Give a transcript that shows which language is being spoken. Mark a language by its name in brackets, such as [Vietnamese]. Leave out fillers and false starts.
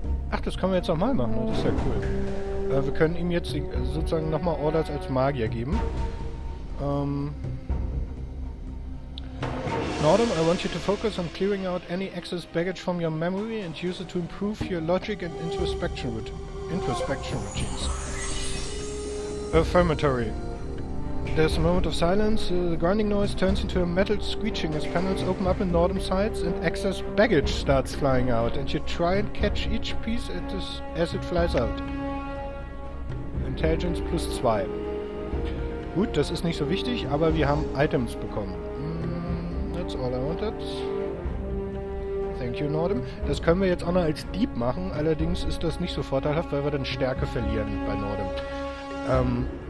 [German] Ach, das können wir jetzt nochmal machen, das ist ja cool. Wir können ihm jetzt sozusagen nochmal Orders als Magier geben. [English] Nordom, I want you to focus on clearing out any excess baggage from your memory and use it to improve your logic and introspection routines. Affirmatory. There's a moment of silence. The grinding noise turns into a metal screeching as panels open up in Nordom sides and excess baggage starts flying out. And you try and catch each piece as it flies out. Intelligence plus 2. [German] Gut, das ist nicht so wichtig, aber wir haben Items bekommen. [English] That's all I wanted. Thank you, Nordom. [German] Das können wir jetzt auch noch als Dieb machen. Allerdings ist das nicht so vorteilhaft, weil wir dann Stärke verlieren bei Nordom.